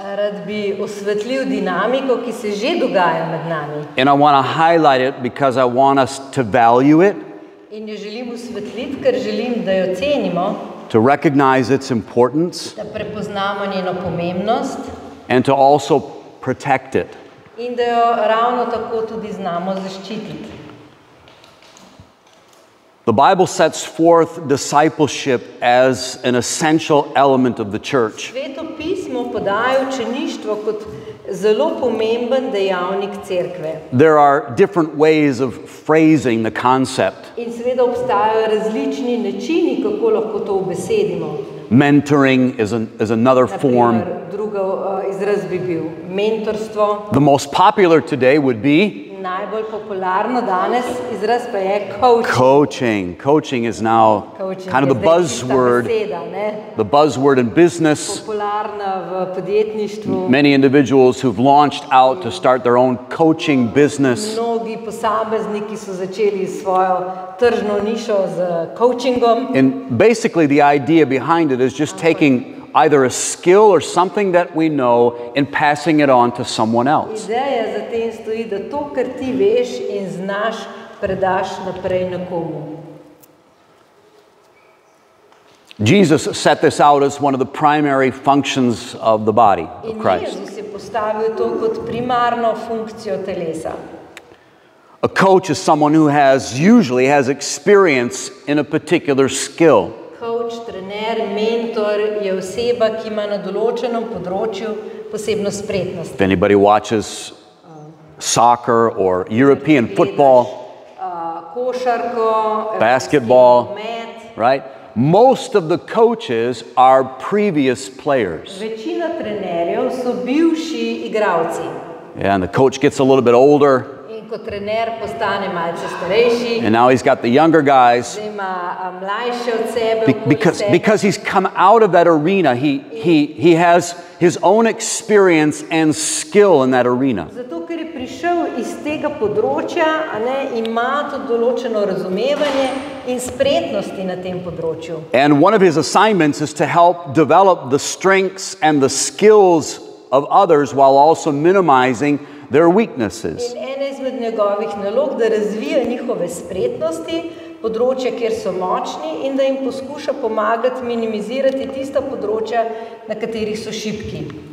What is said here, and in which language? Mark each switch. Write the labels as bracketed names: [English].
[Slovenian] Rad bi osvetlil dinamiko, ki se že dogaja med nami. [English] And I want to highlight it because I want us to value it. [Slovenian] In jo želim osvetliti, ker želim, da jo cenimo. [English] To recognize its importance. [Slovenian] Da prepoznamo njeno pomembnost. [English] And to also protect it. [Slovenian] In da jo ravno tako tudi znamo zaščititi. [English] The Bible sets forth discipleship as an essential element of the church. [Slovenian] Sveto pismo podaja učeništvo kot zelo pomemben dejavnik cerkve. [English] There are different ways of phrasing the concept. [Slovenian] In seveda obstajajo različni načini, kako lahko to ubesedimo. [English] Mentoring is another form. [Slovenian] Drugo izraz bi bil mentorstvo. [English] The most popular today would be [Slovenian] najbolj popularno danes izraz pa je coaching. [English] Coaching is now coaching kind of the buzzword. The buzzword in business. [Slovenian] Popularna v podjetništvu. [English] Many individuals who've launched out to start their own coaching business. [Slovenian] Mnogi posamezniki so začeli svojo tržno nišo z coachingom. [English] And basically the idea behind it is just taking either a skill or something that we know and passing it on to someone else. [Slovenian] Ideja za tem stoji, da to, kar ti veš in znaš, predaš naprej nekomu. [English] Jesus set this out as one of the primary functions of the body of Christ. [Slovenian] In Jezus je postavil to kot primarno funkcijo telesa. [English] A coach is someone who usually has experience in a particular skill. [Slovenian] Coach, trener, mentor je oseba, ki ima na določenem področju posebno spretnost. [English] If anybody watches soccer or European football, [Slovenian] košarko, [English] basketball, met, right? Most of the coaches are previous players. [Slovenian] Večina trenerjev so bivši igralci. [English] Yeah, and the coach gets a little bit older. [Slovenian] Ko trener postane malce starejši. [English] And now he's got the younger guys. [Slovenian] Ima mlajše od sebe. [English] Because he's come out of that arena, he has his own experience and skill in that arena. [Slovenian] Zato ker je prišel iz tega področja, a ne, ima tudi določeno razumevanje in spretnosti na tem področju. [English] And one of his assignments is to help develop the strengths and the skills of others while also minimizing their weaknesses. [Slovenian] In ena izmed njegovih nalog, da razvija njihove spretnosti, področja, kjer so močni, in da jim poskuša pomagati minimizirati tista področja, na katerih so šibki.